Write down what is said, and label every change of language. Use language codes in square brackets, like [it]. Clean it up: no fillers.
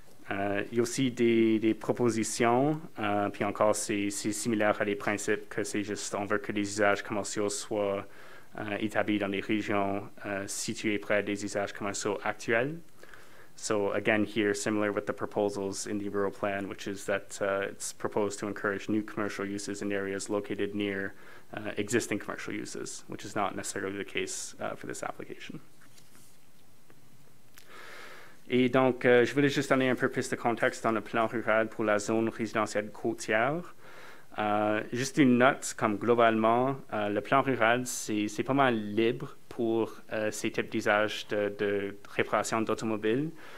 [fr] Il y a aussi des propositions, puis encore c'est similaire à des principes que c'est juste on veut que les usages commerciaux soient établis dans des régions situées près des usages commerciaux actuels. [en] So again here, similar with the proposals in the rural plan, which is that it's proposed to encourage new commercial uses in areas located near existing commercial uses, which is not necessarily the case for this application. [fr] Et donc, je voulais juste donner un peu plus de contexte dans le plan rural pour la zone résidentielle côtière. Juste une note, comme globalement, le plan rural, c'est pas mal libre pour ces types d'usages de réparation d'automobiles.